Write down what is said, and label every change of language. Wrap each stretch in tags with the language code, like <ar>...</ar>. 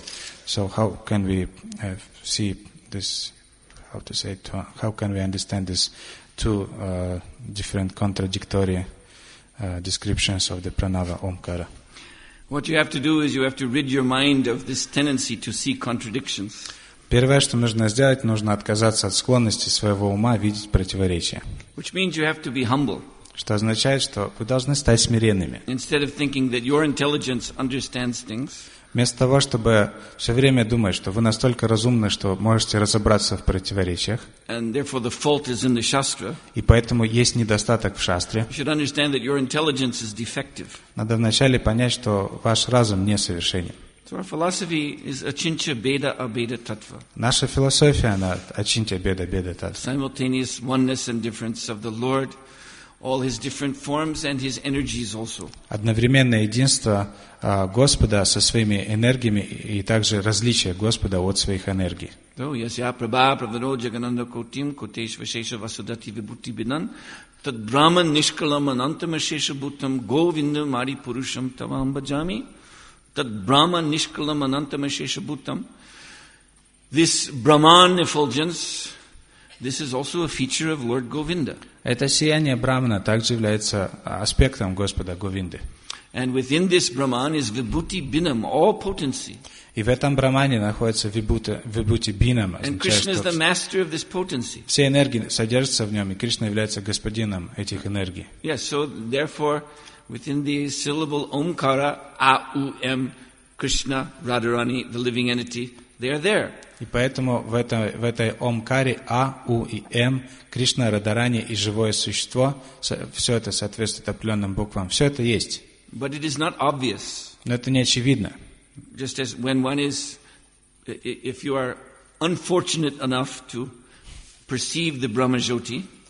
<en>So how can we see this, how to say it, how can we understand this two different contradictory descriptions of the pranava omkara. What you have to do is you have to rid your mind of this tendency to see contradictions.</en> <ru>Первое, что нужно сделать, нужно отказаться от склонности своего ума видеть противоречия.</ru> <en>Which means you have to be humble.</en> <ru>Что означает, что вы должны стать смиренными.</ru> <en>Instead of thinking that your intelligence understands things,</en> <ru>вместо того, чтобы все время думать, что вы настолько разумны, что можете разобраться в противоречиях,</ru> <en>and therefore the fault is in the shastra,</en> <ru>и поэтому есть недостаток в шастре,</ru> <en>you should understand that your intelligence is defective.</en> <ru>Надо вначале понять, что ваш разум несовершенен.</ru> <en>So our philosophy is achintya bheda abheda tattva.</en> <ru>Наша философия, она achintya bheda abheda tattva.</ru> <en>Simultaneous oneness and difference of the Lord, all his different forms and his energies also.</en> <ru>Одновременное единство Господа со своими энергиями и также различие Господа от своих энергий.</ru> <sa>То яся праба правдо джагананда котим котеш вишеша васудати вибути бинан тад брахман нишкалам анантам ашеша бутам говинда мари пурушам тавам баджами.</sa> <en>That Brahman Nishkalam Anantam Ashesha Bhutam, this Brahman effulgence, this is also a feature of Lord Govinda.</en> <ru>Это сияние Брахмана также является аспектом Господа Говинды.</ru> <en>And within this Brahman is Vibhuti Binam, all potency.</en> <ru>И в этом Брахмане находится Vibhuti Binam.</ru> <en>And Krishna is the master of this potency.</en> <ru>Все энергии содержатся в нем, и Кришна является господином этих энергий.</ru> <en>Yes, so therefore, within the syllable Omkara, A-U-M, Krishna, Radharani, the living entity, they are there.</en> <ru>И поэтому в этой Омкаре, А-У-И-М, Кришна, Радарани и живое существо, все это соответствует определенным буквам, все это есть.</ru> <en>But it is not obvious.</en> <ru>Но это не очевидно.</ru> <en>Just as when one is, if you are unfortunate enough to perceive the Brahma Jyoti,</en>